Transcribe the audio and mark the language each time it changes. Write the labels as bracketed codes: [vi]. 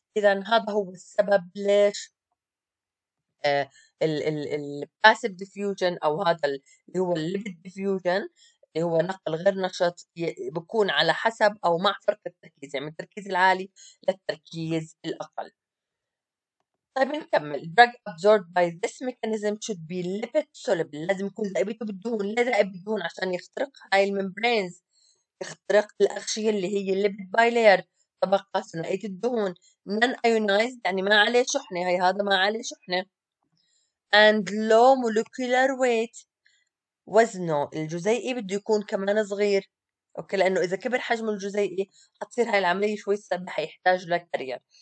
[ar] إذا هذا هو السبب ليش الباسيف ديفيوجن أو هذا اللي هو الليبيد ديفيوجن اللي هو نقل غير نشط بكون على حسب أو مع فرق التركيز، يعني من التركيز العالي للتركيز الأقل. طيب نكمل. [en] drug absorbed by this mechanism should be lipid soluble، [ar] لازم يكون ذائبته بالدهون. ليه ذائب بالدهون؟ عشان يخترق هاي الممبرينز، يخترق الأغشية اللي هي الليبيد بايلير، طبقة ثنائية الدهون. non-ionized يعني ما عليه شحنة، هي هذا ما عليه شحنة. [en] and low molecular weight، [ar] وزنه الجزيئي بده يكون كمان صغير اوكي، لانه اذا كبر حجم الجزيئي حتصير هاي العملية شوي صعبة، حيحتاج لكارير.